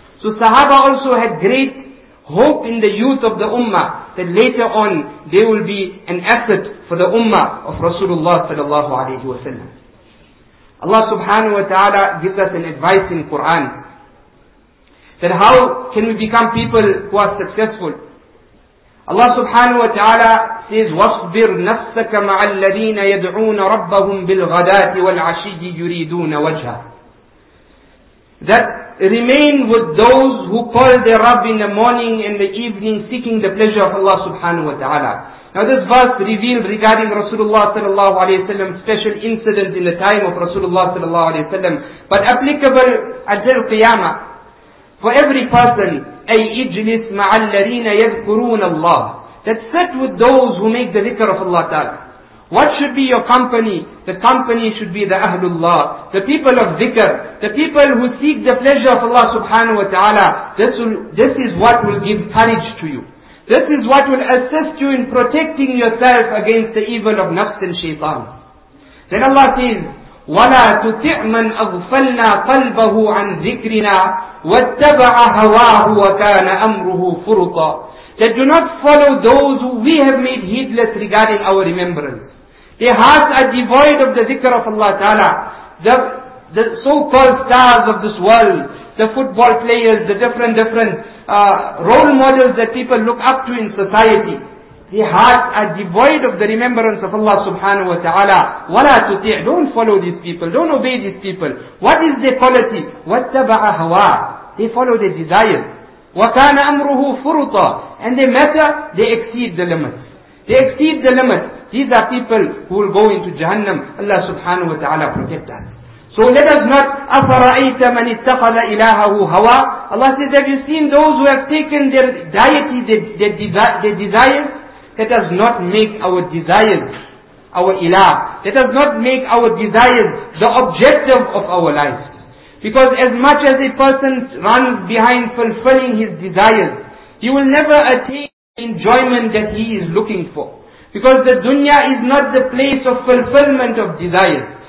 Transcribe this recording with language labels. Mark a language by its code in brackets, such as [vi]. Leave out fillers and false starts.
[en] So sahaba also had great hope in the youth of the ummah, that later on they will be an asset for the ummah of Rasulullah sallallahu alayhi wa sallam. Allah subhanahu wa ta'ala gives us an advice in Quran, that how can we become people who are successful? Allah subhanahu wa ta'ala says, [ar] وَاصْبِرْ نَفْسَكَ مَعَ الَّذِينَ يَدْعُونَ رَبَّهُمْ بِالْغَدَاةِ وَالْعَشِيِّ يُرِيدُونَ وَجْهَةِ. [en] That remain with those who call their Rabb in the morning and the evening seeking the pleasure of Allah subhanahu wa ta'ala. Now this verse revealed regarding Rasulullah sallallahu alayhi wa sallam, special incident in the time of Rasulullah sallallahu alayhi wa sallam, but applicable until Qiyamah. For every person, [ar] أي إجلس مع الذين يذكرون الله, [en] that sit with those who make the dhikr of Allah Ta'ala. What should be your company? The company should be the Ahlullah, the people of dhikr, the people who seek the pleasure of Allah subhanahu wa ta'ala. This is what will give courage to you. This is what will assist you in protecting yourself against the evil of nafs and shaitan. Then Allah says, [ar] وَلَا تُتِعْ مَنْ أَغْفَلْنَا قَلْبَهُ عَنْ ذِكْرِنَا وَاتَّبَعَ هَوَاهُ وَكَانَ أَمْرُهُ فُرُطًا. [en] That do not follow those who we have made heedless regarding our remembrance. Their hearts are devoid of the dhikr of Allah Ta'ala. The so-called stars of this world, the football players, the different role models that people look up to in society. The hearts are devoid of the remembrance of Allah subhanahu wa ta'ala. [ar] وَلَا تُطِعْ. [en] Don't follow these people. Don't obey these people. What is their quality? [ar] وَاتَّبَعَ هَوَى. [en] They follow their desires. [ar] وَكَانَ أَمْرُهُ فُرُطًا. [en] And their matter, they exceed the limits. They exceed the limits. These are people who will go into Jahannam. Allah subhanahu wa ta'ala protect us. So let us not, [ar] أَفَرَأَيْتَ مَنِ اتَّخَذَ إِلَاهَهُ هَوَى. [en] Allah says, have you seen those who have taken their deity, their desires? Let us not make our desires our ilah. Let us not make our desires the objective of our life. Because as much as a person runs behind fulfilling his desires, he will never attain the enjoyment that he is looking for. Because the dunya is not the place of fulfillment of desires.